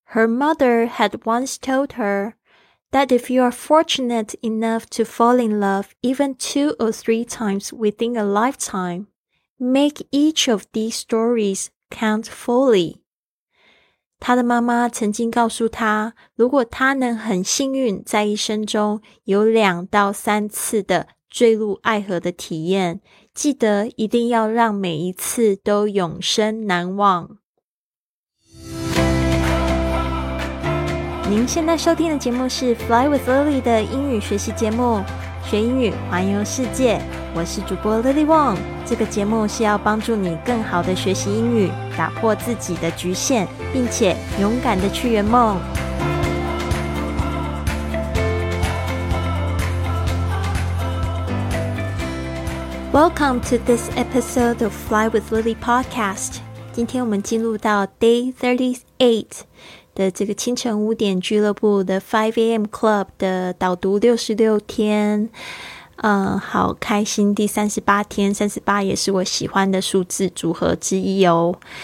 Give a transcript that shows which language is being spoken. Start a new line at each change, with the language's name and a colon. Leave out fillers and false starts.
English: Her mother had once told her that if you are fortunate enough to fall in love even 2 or 3 times within a lifetime, make each of these stories count fully.
Chinese: 她的妈妈曾经告诉她，如果她能很幸运在一生中有2到3次的坠入爱河的体验，记得一定要让每一次都永生难忘。您现在收听的节目是 Fly with Lily 的英语学习节目，学英语环游世界。我是主播 Lily Wong， 这个节目是要帮助你更好的学习英语，打破自己的局限，并且勇敢的去圆梦。
English: Welcome to this episode of Fly with Lily podcast.
Chinese: 今天我们进入到 Day 38的这个清晨五点俱乐部的 5AM Club 的导读66天，好开心，第38天，38也是我喜欢的数字组合之一哦。